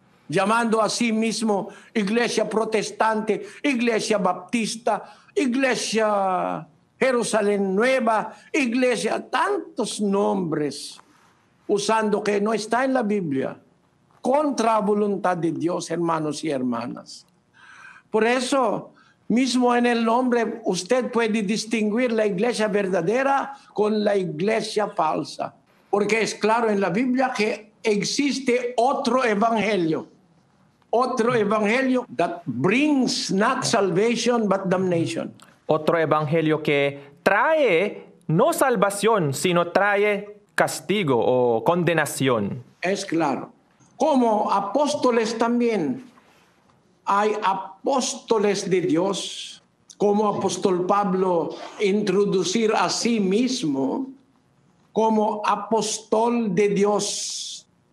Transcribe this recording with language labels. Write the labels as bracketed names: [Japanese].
[Spanish] llamando a sí mismo iglesia protestante, iglesia baptista, iglesia Jerusalén Nueva, iglesia, tantos nombres usando que no está en la Biblia, contra la voluntad de Dios, hermanos y hermanas. Por eso, mismo en el nombre, usted puede distinguir la iglesia verdadera con la iglesia falsa. Porque es claro en la Biblia que existe otro evangelio. Otro evangelio [English] that brings not salvation but damnation. [Spanish] Otro evangelio que trae no salvación, sino trae castigo o condenación. Es claro. Como apóstoles también. Hay apóstoles de Dios, como apóstol Pablo, introducir a sí mismo como apóstol de Dios.